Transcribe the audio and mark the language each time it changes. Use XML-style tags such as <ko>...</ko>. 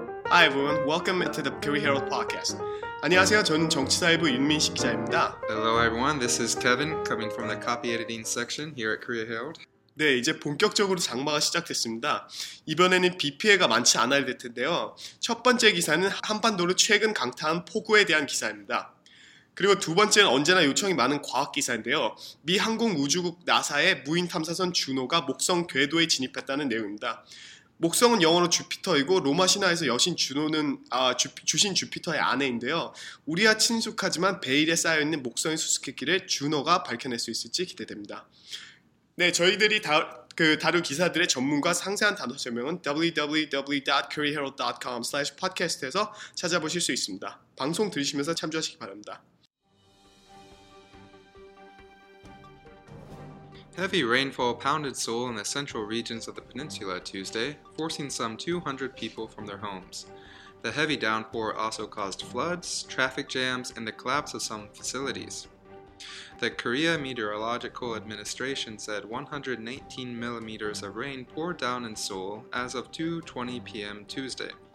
<en>Hi everyone, welcome to the Pew Herald podcast.</en> <ko>안녕하세요. 저는 정치사회부 윤민식 기자입니다.</ko> <en>Hello everyone, this is Kevin coming from the copy editing section here at Korea Herald.</en> <ko>네, 이제 본격적으로 장마가 시작됐습니다. 이번에는 비 피해가 많지 않아야 될 텐데요. 첫 번째 기사는 한반도를 최근 강타한 폭우에 대한 기사입니다. 그리고 두 번째는 언제나 요청이 많은 과학 기사인데요. 미 항공우주국 나사의 무인 탐사선 주노가 목성 궤도에 진입했다는 내용입니다. 목성은 영어로 주피터이고 로마 신화에서 여신 주노는 주신 주피터의 아내인데요. 우리와 친숙하지만 베일에 쌓여있는 목성의 수수께끼를 주노가 밝혀낼 수 있을지 기대됩니다. 네, 저희들이 다룬 기사들의 전문가 상세한 단어 설명은 www.curryherald.com/podcast에서 찾아보실 수 있습니다. 방송 들으시면서 참조하시기 바랍니다.</ko> <en>Heavy rainfall pounded Seoul in the central regions of the peninsula Tuesday, forcing some 200 people from their homes. The heavy downpour also caused floods, traffic jams, and the collapse of some facilities. The Korea Meteorological Administration said 118 millimeters of rain poured down in Seoul as of 2:20 p.m. Tuesday.</en>